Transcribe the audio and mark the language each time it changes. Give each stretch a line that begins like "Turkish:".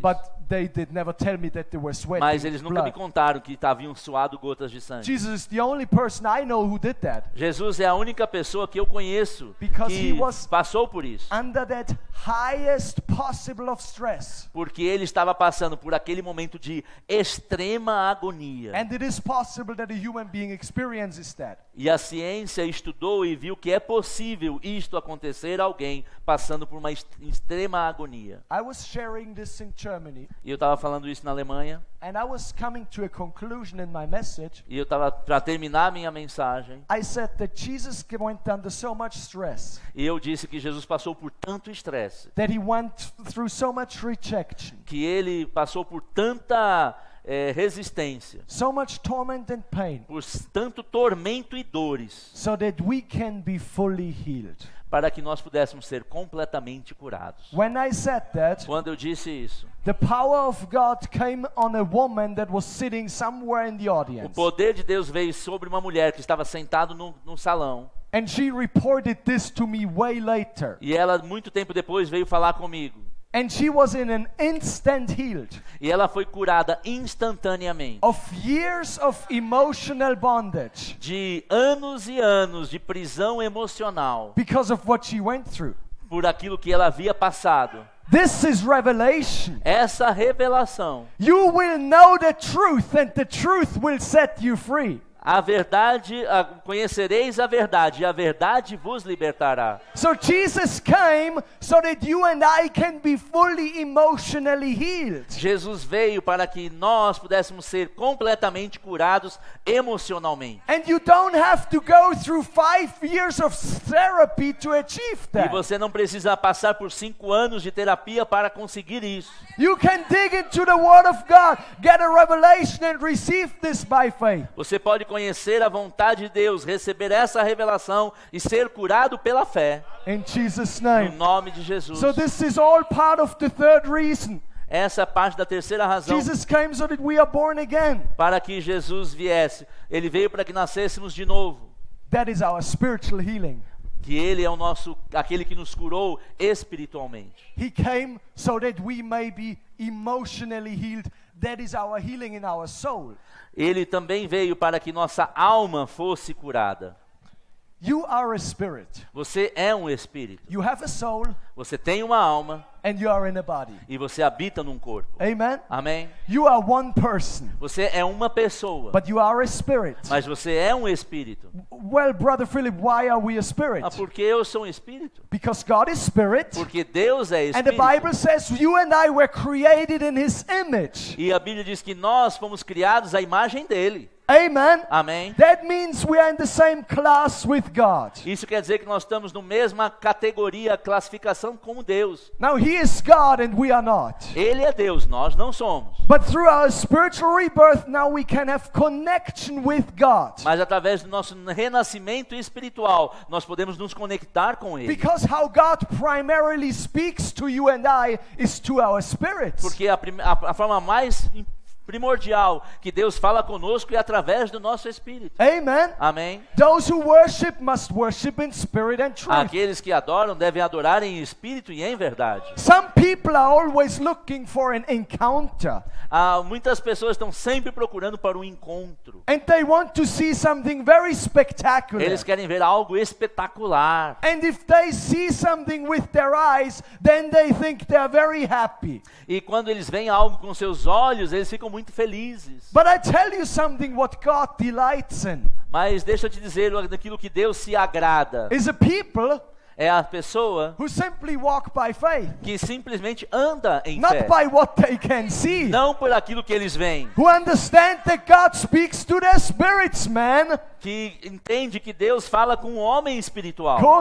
English: But they did never tell me that they were sweating.
Portuguese: Mas eles nunca
English: blood.
Portuguese: Me contaram que haviam suado gotas de sangue.
English: Jesus is the only person I know who did that.
Portuguese: Jesus é a única pessoa que eu conheço
English: because
Portuguese: que passou por isso.
English: Under that highest possible of stress.
Portuguese: Porque ele estava passando por aquele momento de extrema agonia.
English: And it is possible that a human being experiences that.
Portuguese: E a ciência estudou e viu que é possível isto acontecer a alguém passando por uma extrema agonia.
English: I was sharing this in Germany.
Portuguese: E eu estava falando isso na Alemanha.
English: And I was coming to a conclusion in my message.
Portuguese: E eu estava para terminar minha mensagem.
English: I said that Jesus went under so much stress.
Portuguese: E eu disse que Jesus passou por tanto estresse.
English: That he went through so much rejection.
Portuguese: Que ele passou por tanta resistência.
English: So much torment and pain.
Portuguese: Por tanto tormento e dores.
English: So that we can be fully healed.
Portuguese: Para que nós pudéssemos ser completamente curados.
English: When I said that,
Portuguese: quando eu disse isso,
English: the power of God came on a woman that was sitting somewhere in the audience.
Portuguese: O poder de Deus veio sobre uma mulher que estava sentada no salão.
English: And she reported this to me way later.
Portuguese: E ela muito tempo depois veio falar comigo.
English: And she was in an instant healed.
Portuguese: E ela foi curada instantaneamente.
English: Of years of emotional bondage.
Portuguese: De anos e anos de prisão emocional.
English: Because of what she went through.
Portuguese: Por aquilo que ela havia passado.
English: This is revelation.
Portuguese: Essa revelação.
English: You will know the truth and the truth will set you free.
Portuguese: A verdade, conhecereis a verdade, e a verdade vos libertará.
English: So Jesus came so that you and I can be fully emotionally healed.
Portuguese: Jesus veio para que nós pudéssemos ser completamente curados emocionalmente.
English: And you don't have to go through 5 years of therapy to achieve that.
Portuguese: E você não precisa passar por 5 anos de terapia para conseguir isso.
English: You can dig into the Word of God, get a revelation and receive this by faith.
Portuguese: Você pode conhecer a vontade de Deus, receber essa revelação e ser curado pela fé.
English: In Jesus' name.
Portuguese: No nome de Jesus.
English: So this is all part of the third reason.
Portuguese: Essa é a parte da terceira razão.
English: Jesus came so that we are born again.
Portuguese: Para que Jesus viesse, ele veio para que nascêssemos de novo.
English: That is our spiritual healing.
Portuguese: Que ele é o nosso, aquele que nos curou espiritualmente.
English: He came so that we may be emotionally healed. That is our healing in our soul.
Portuguese: Ele também veio para que nossa alma fosse curada.
English: You are a spirit.
Portuguese: Você é um espírito.
English: You have a soul.
Portuguese: Você tem uma alma.
English: And you are in a body.
Portuguese: E você habita num corpo.
English: Amen.
Portuguese: Amém.
English: You are one person.
Portuguese: Você é uma pessoa.
English: But you are a spirit.
Portuguese: Mas você é um espírito.
English: Well, brother Philip, why are we a spirit?
Portuguese: Ah, porque eu sou um espírito.
English: Because God is spirit.
Portuguese: Porque Deus é espírito.
English: And the Bible says you and I were created in His image.
Portuguese: E a Bíblia diz que nós fomos criados à imagem dele.
English: Amen.
Portuguese: Amém.
English: That means we are in the same class with God.
Portuguese: Isso quer dizer que nós estamos na mesma categoria, classificação com Deus.
English: Now He is God and we are not.
Portuguese: Ele é Deus, nós não somos.
English: But through our spiritual rebirth, now we can have connection with God.
Portuguese: Mas através do nosso renascimento espiritual, nós podemos nos conectar com Ele.
English: Because how God primarily speaks to you and I is to our spirits.
Portuguese: Porque a forma mais primordial que Deus fala conosco e através do nosso espírito.
English: Amen.
Portuguese: Amém.
English: Those who worship must worship in spirit and truth.
Portuguese: Aqueles que adoram devem adorar em espírito e em verdade.
English: Some people are always looking for an encounter.
Portuguese: Muitas pessoas estão sempre procurando para um encontro.
English: And they want to see something very spectacular.
Portuguese: Eles querem ver algo espetacular.
English: And if they see something with their eyes, then they think they are very happy.
Portuguese: E quando eles veem algo com seus olhos, eles ficam muito felizes.
English: But I tell you something what God delights in.
Portuguese: Mas deixa eu te dizer aquilo que Deus se agrada.
English: Is a people
Portuguese: é a pessoa
English: who simply walk by faith.
Portuguese: Que simplesmente anda em
English: not
Portuguese: fé.
English: Not by what they can see.
Portuguese: Não por aquilo que eles veem.
English: Who understand that God speaks to their spirits, man.
Portuguese: Que entende que Deus fala com um homem espiritual.